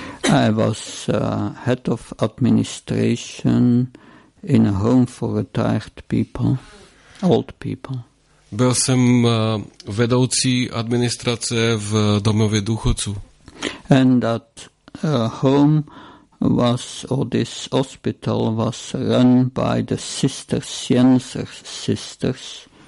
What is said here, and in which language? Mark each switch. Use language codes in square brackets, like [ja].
[en] I was head of administration in a home for retired people, old people. [cs] Byl jsem vedoucí administrace v domově důchodců. [en] And that home was, or this hospital was run by the sisters, Jenser sisters.